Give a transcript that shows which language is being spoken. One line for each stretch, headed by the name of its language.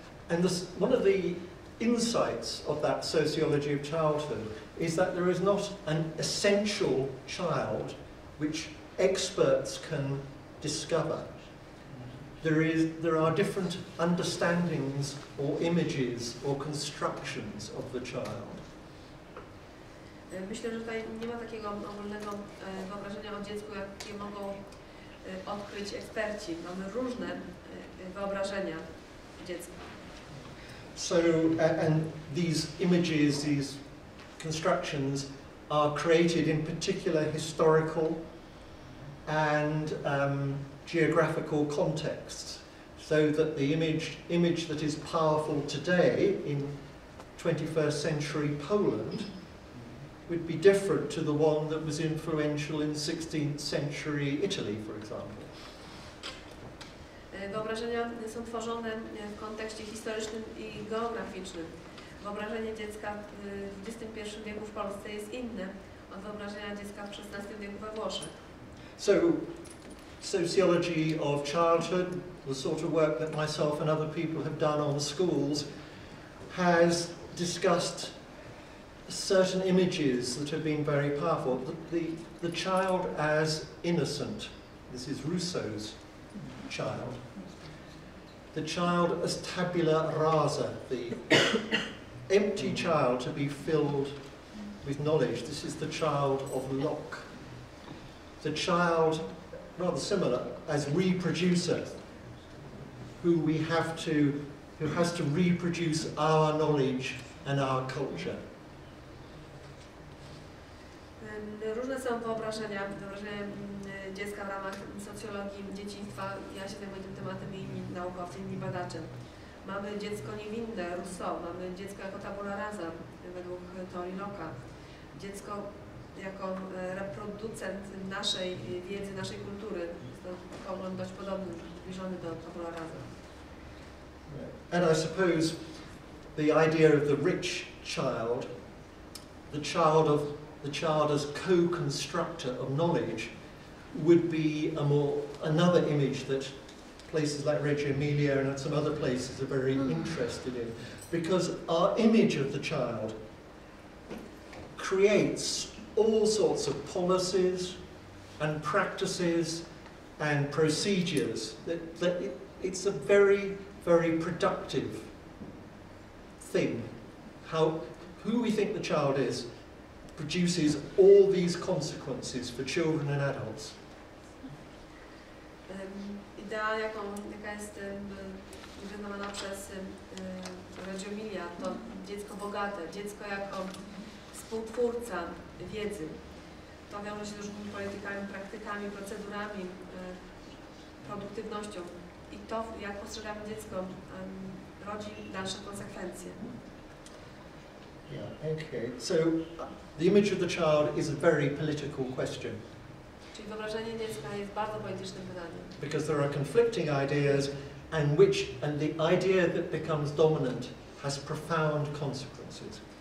English: And one of the insights of that sociology of childhood is that there is not an essential child which experts can discover. There are different understandings or images or constructions of the child.
Polish: Myślę, że tutaj nie ma takiego ogólnego wyobrażenia o dziecku, jakie mogą odkryć eksperci. Mamy różne wyobrażenia dziecka.
English: So, and these images, these constructions are created in particular historical and geographical contexts, so that the image that is powerful today in 21st century Poland would be different to the one that was influential in 16th century Italy, for example.
Polish: Wyobrażenia są tworzone w kontekście historycznym i geograficznym. Wyobrażenie dziecka w XXI wieku w Polsce jest inne od wyobrażenia dziecka w XVI wieku we Włoszech.
English: So, sociology of childhood, the sort of work that myself and other people have done on schools, has discussed certain images that have been very powerful. The child as innocent, this is Rousseau's child. The child as tabula rasa, the empty child to be filled with knowledge, this is the child of Locke. The child, rather similar, as reproducer, who has to reproduce our knowledge and our culture.
Polish: Różne są wyobrażenia, dziecka w ramach socjologii dzieciństwa. Ja się zajmuję tym tematem i inni naukowcy, inni badacze. Mamy dziecko niewinne, Rousseau, mamy dziecko jako tabula rasa, według teorii Locke'a. Dziecko jako reproducent naszej wiedzy, naszej kultury. Jest to pogląd dość podobny, zbliżony do tabula rasa.
English: And I suppose the idea of the rich child, the child as co-constructor of knowledge, would be another image that places like Reggio Emilia and some other places are very interested in. Because our image of the child creates all sorts of policies, and practices and procedures. That it's a very, very productive thing. Who we think the child is produces all these consequences for children and adults.
Polish: Idea, jaka jest wykonana przez Reggio Emilia, to dziecko bogate, dziecko jako współtwórca wiedzy. To wiąże się z różnymi politykami, praktykami, procedurami, produktywnością. I to, jak postrzegamy dziecko, rodzi dalsze konsekwencje.
English: Yeah, okay. So the image of the child is a very political question.
Polish: Czyli wyobrażenie dziecka jest bardzo politycznym pytaniem.
English: Because there are conflicting ideas, and the idea that becomes dominant has profound consequences.